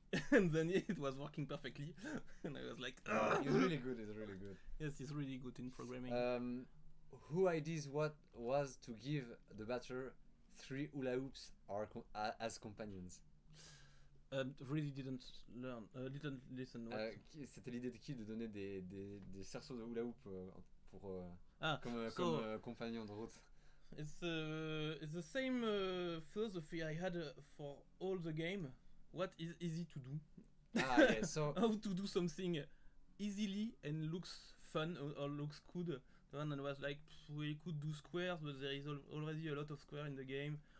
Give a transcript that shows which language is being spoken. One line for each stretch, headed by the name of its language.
English: And then it was working perfectly, and I was like, "He's really good. He's really good." Yes, he's really good in programming. Who ideas what was to give the batter three hula hoops as companions? Really didn't learn. Didn't listen.
French: C'était l'idée de qui de donner des cerceaux de hula hoop pour compagnon de route.
English: It's the same philosophy I had for all the game. What is easy to do? Yeah, so how to do something easily and looks fun or looks good. The one that was like, we could do squares, but there is already a lot of squares in the game.